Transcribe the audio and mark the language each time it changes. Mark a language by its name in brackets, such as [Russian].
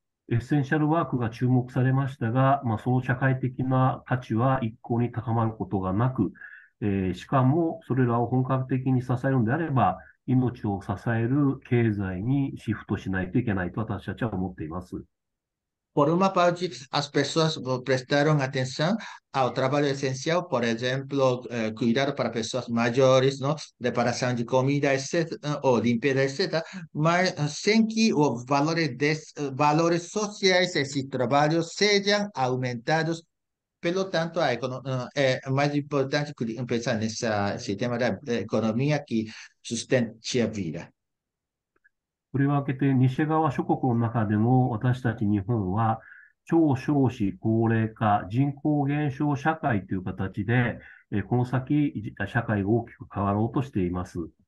[Japanese] エッセンシャルワークが注目されましたが、その社会的な価値は一向に高まることがなく、しかもそれらを本格的に支えるのであれば、命を支える経済にシフトしないといけないと私たちは思っています。 [Spanish] Por una parte, las personas prestaron atención al trabajo esencial, por ejemplo, cuidar para personas mayores, ¿no? Reparación de comida, etcétera, o limpieza, etcétera. Mas sin que los valores sociales de su trabajo sean aumentados. Por lo tanto, es más importante pensar en ese sistema de economía que sustenta la vida. [Japanese] これを挙げて西側諸国の中でも私たち日本は超少子高齢化、人口減少社会という形でこの先社会が大きく変わろうとしています。